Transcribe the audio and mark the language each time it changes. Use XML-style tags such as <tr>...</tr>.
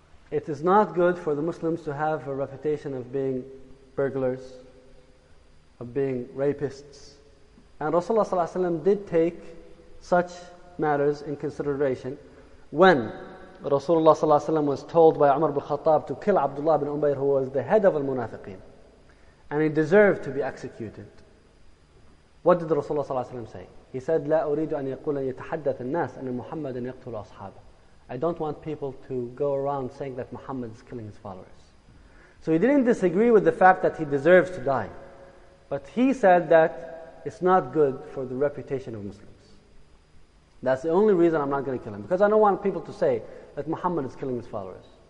<en>It is not good for the Muslims to have a reputation of being burglars, of being rapists. And Rasulullah sallallahu alaihi wasallam did take such matters in consideration when Rasulullah sallallahu alaihi wasallam was told by Umar ibn Khattab to kill Abdullah ibn Umayr, who was the head of al-munafiqeen, and he deserved to be executed. What did Rasulullah sallallahu alaihi wasallam say? He said,</en> <ar>لا أريد أن يقول أن يتحدث الناس أن محمد يقتل أصحابه.</ar> <en>I don't want people to go around saying that Muhammad is killing his followers. So he didn't disagree with the fact that he deserves to die. But he said that it's not good for the reputation of Muslims. That's the only reason I'm not going to kill him, because I don't want people to say that Muhammad is killing his followers.</en>